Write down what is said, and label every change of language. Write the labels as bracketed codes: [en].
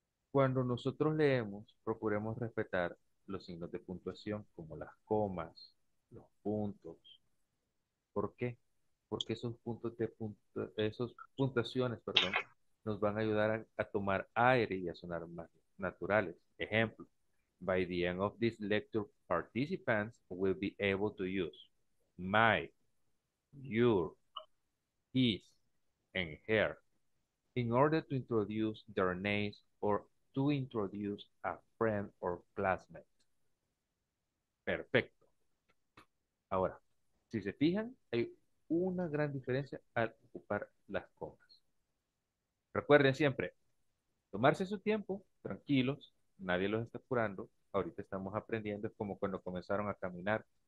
[es] Cuando nosotros leemos, procuremos respetar los signos de puntuación, como las comas, los puntos. ¿Por qué? Porque esos puntos de esas puntuaciones, nos van a ayudar a tomar aire y a sonar más naturales. [en] Ejemplo, by the end of this lecture, participants will be able to use my, your, his, and her in order to introduce their names or to introduce a friend or classmate. [es] Perfecto. Ahora, si se fijan, hay una gran diferencia al ocupar las comas. Recuerden siempre, tomarse su tiempo, tranquilos, nadie los está apurando, ahorita estamos aprendiendo, es como cuando comenzaron a caminar.